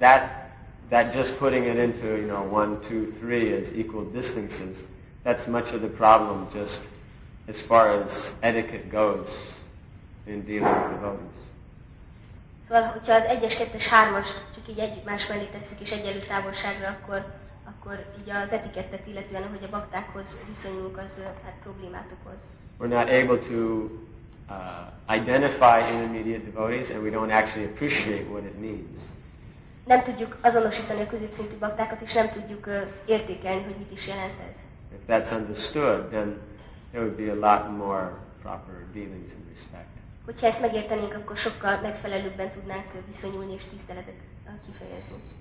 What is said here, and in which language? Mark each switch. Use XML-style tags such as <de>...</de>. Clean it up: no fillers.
<en>So that just putting it into, you know, one, two, three as equal distances, that's much of the problem just as far as etiquette goes in dealing with devotees.</en> <hu>Szóval, hogyha az egyes, kettes, hármas csak így egymás mellé tesszük és egyenlő távolságra, akkor így az etikettet illetően, ahogy a baktákhoz viszonyulunk, az hát problémát okoz.</hu> <en>We're not able to identify intermediate devotees and we don't actually appreciate what it means.</en> <hu>nem tudjuk azonosítani a középszintű baktákat, és nem tudjuk értékelni, hogy mit is jelent ez.</hu> <en>If that's understood, then there would be a lot more proper dealings and respect.</en> <hu>Hogyha ezt megértenénk, akkor sokkal megfelelőbben tudnánk viszonyulni és tiszteletet kifejezni.</hu>